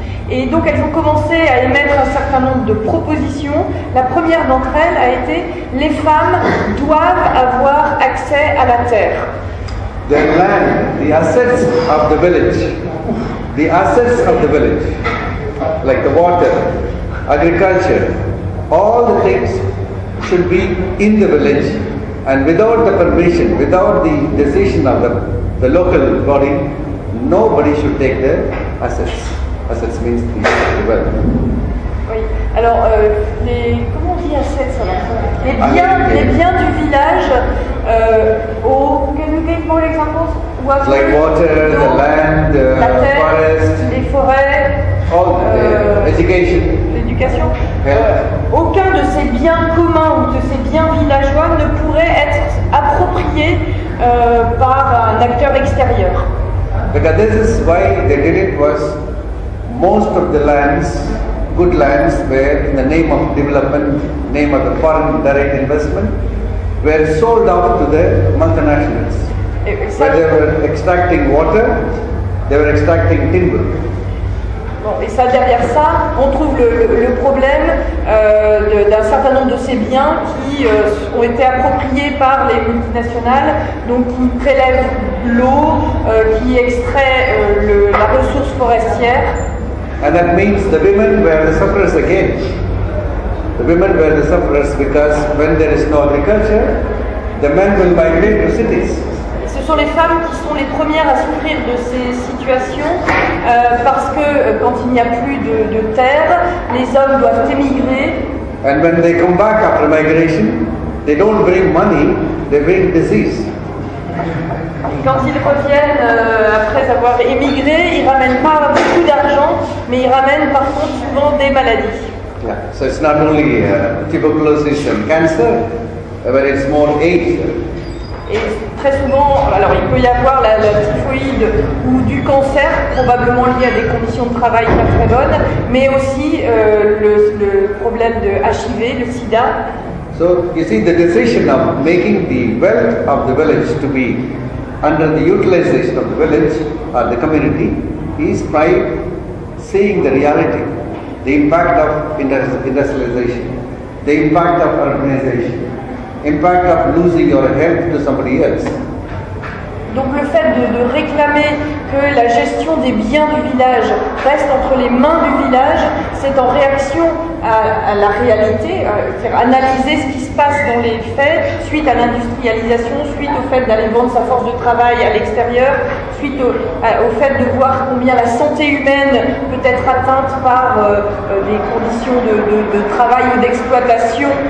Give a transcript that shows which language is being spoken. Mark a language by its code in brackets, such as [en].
[fr] Et donc elles ont commencé à émettre un certain nombre de propositions. La première d'entre elles a été les femmes doivent avoir accès à la terre. [en] The land, the assets of the village. The assets of the village, like the water, agriculture, all the things should be in the village, and without the permission, without the decision of the local body, nobody should take the assets. Assets means the wealth. [fr] Oui. Alors, comment on dit assets en français? Les biens du village. [en] Can you give more examples? What like water, know? The land, the forest, [fr] les forêts, [en] all education, [fr] l'éducation. [en] Yeah. [fr] Aucun de ces biens communs ou de ces biens villageois ne pourrait être approprié par un acteur extérieur. [en] Because this is why they did it was most of the lands, good lands, were in the name of development, name of the foreign direct investment, were sold out to the multinationals. [fr] Ça, [en] they were extracting water, they were extracting timber. [fr] Bon, et ça, derrière ça, on trouve le problème d'un certain nombre de ces biens qui ont été appropriés par les multinationales, donc qui prélèvent l'eau, qui extraient la ressource forestière. [en] And that means the women were the sufferers again. The women were the sufferers because when there is no agriculture, the men will migrate to cities. [fr] Ce sont les femmes qui sont les premières à souffrir de ces situations parce que quand il n'y a plus de terre, les hommes doivent émigrer. [en] And when they come back after migration, they don't bring money, they bring disease. [fr] Quand ils reviennent après avoir émigré, ils ne ramènent pas beaucoup d'argent, mais ils ramènent par contre souvent des maladies. [en] Yeah. So it's not only tuberculosis and cancer, but it's more AIDS. [fr] Et très souvent, alors il peut y avoir la typhoïde ou du cancer, probablement lié à des conditions de travail pas très bonnes, mais aussi le problème de HIV, le sida. [en] So you see the decision of making the wealth of the village to be under the utilization of the village or the community is by seeing the reality, the impact of industrialization, the impact of urbanization, impact of losing your health to somebody else. [fr] Donc le fait de réclamer que la gestion des biens du village reste entre les mains du village, c'est en réaction à la réalité, c'est-à-dire analyser ce qui se passe dans les faits suite à l'industrialisation, suite au fait d'aller vendre sa force de travail à l'extérieur, suite au fait de voir combien la santé humaine peut être atteinte par des conditions de travail ou d'exploitation.